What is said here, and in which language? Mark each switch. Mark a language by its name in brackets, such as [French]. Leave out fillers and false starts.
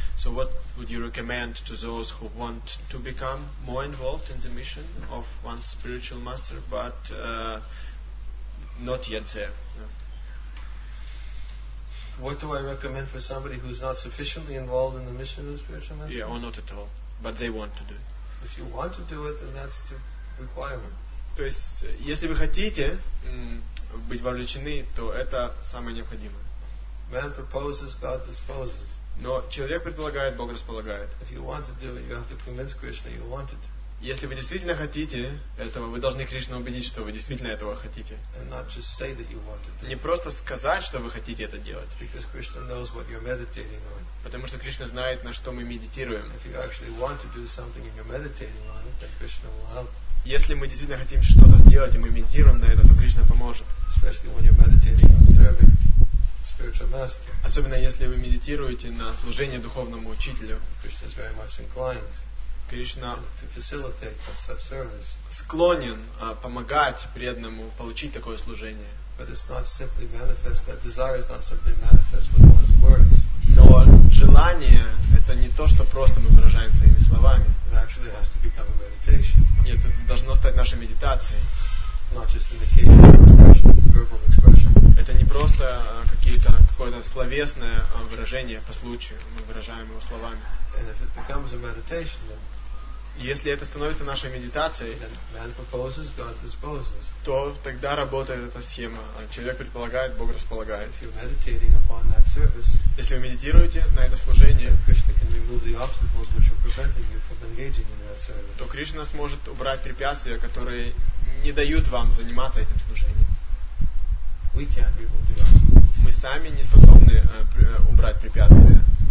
[English] So what would you recommend to those who want to become more involved in the mission of one spiritual master, but not yet there. No. What do I recommend for somebody who's not sufficiently involved in the mission of the spiritual master? Yeah, or not at all. But they want to do it. If you want to do it, then that's the requirement. [Russian] То есть, если вы хотите быть вовлечены, то это самое необходимое. [English] Man proposes, God disposes. [Russian] Но человек предполагает, Бог располагает. [English] If you want to do it, you have to convince Krishna you want it. [Russian] Если вы действительно хотите этого, вы должны Кришну убедить, что вы действительно этого хотите. [English] And not just say that you want it. [Russian] Не просто сказать, что вы хотите это делать. [English] Because Krishna knows what you're meditating on. [Russian] Потому что Кришна знает, на что мы медитируем. [English] If you actually want to do something and you're meditating on it, then Krishna will help. [Russian] Если мы действительно хотим что-то сделать, и мы медитируем на это, то Кришна поможет. [English] Especially when you're meditating on serving spiritual master. [Russian] Особенно если вы медитируете на служение духовному учителю. [English] Krishna is very much inclined. [Russian] Кришна [English] to facilitate such service. [Russian] Склонен помогать преданному получить такое служение. [English] But it's not simply manifest, that desire is not simply manifest with one's words. [Russian] Но желание это не то, что просто мы выражаем своими словами. [English] It actually has to become a meditation. [Russian] Нет, это должно стать нашей медитацией. [English] Not just an occasional expression, verbal expression. [Russian] Это не просто какое-то словесное выражение по случаю, мы выражаем его словами. [English] And if it becomes a meditation, then [Russian] если это становится нашей медитацией, [English] man proposes, God disposes. [Russian] То тогда работает эта схема. Человек предполагает, Бог располагает. [English] If you're meditating upon that service, [Russian] если вы медитируете на это служение, [English] Krishna can remove the obstacles which are preventing you from engaging in that service. [Russian] То Кришна сможет убрать препятствия, которые не дают вам заниматься этим служением. [English] We can't remove the obstacles. [Russian] Мы сами не способны убрать препятствия.